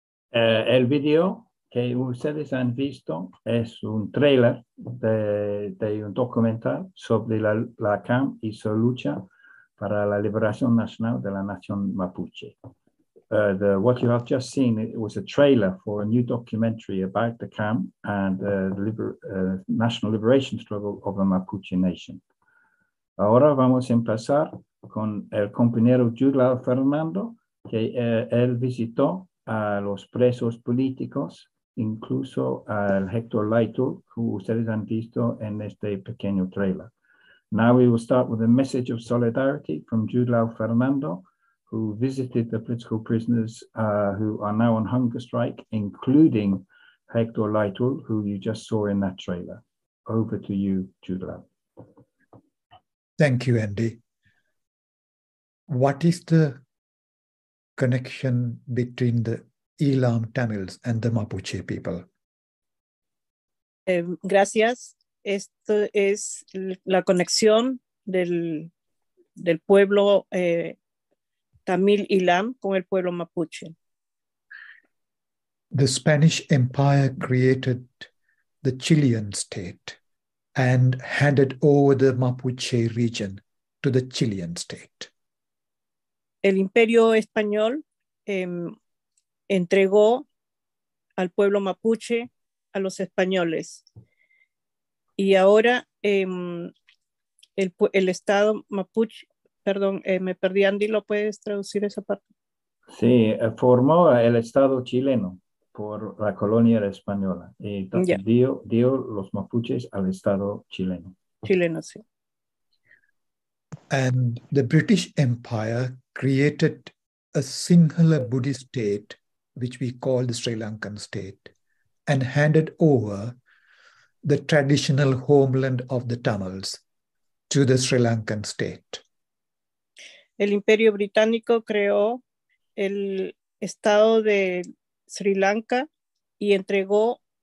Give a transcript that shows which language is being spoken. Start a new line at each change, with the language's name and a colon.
Spanish: El video que ustedes han visto es un tráiler de un documental sobre la CAM y su lucha para la liberación nacional de la nación mapuche.
English: What you have just seen it was a trailer for a new documentary about the CAM and the national liberation struggle of the Mapuche nation.
Spanish: Ahora vamos a empezar con el compañero Yuglao Fernando, que él visitó a los presos políticos, incluso al Héctor Lightwood, who ustedes han visto en este pequeño trailer.
English: Now we will start with a message of solidarity from Jude Law Fernando, who visited the political prisoners who are now on hunger strike, including Héctor Lightwood, who you just saw in that trailer. Over to you, Jude Law. Thank you, Andy. What is the connection between the Elam Tamils and the Mapuche people?
Spanish: Gracias. Esto es la conexión del pueblo Tamil Ilam con el pueblo mapuche.
English: The Spanish Empire created the Chilean state and handed over the Mapuche region to the Chilean state.
Spanish: El Imperio Español entregó al pueblo mapuche a los españoles. Y ahora el Estado mapuche, perdón, me perdí, Andy, ¿lo puedes traducir esa parte? Sí, formó el Estado chileno por la colonia española y Ya. dio los mapuches al Estado chileno. Chileno, sí.
English: And the British Empire created a singular Buddhist state, which we call the Sri Lankan state, and handed over the traditional homeland of the Tamils to the Sri Lankan state.
Spanish: El Imperio Británico creó el Estado de Sri Lanka y entregó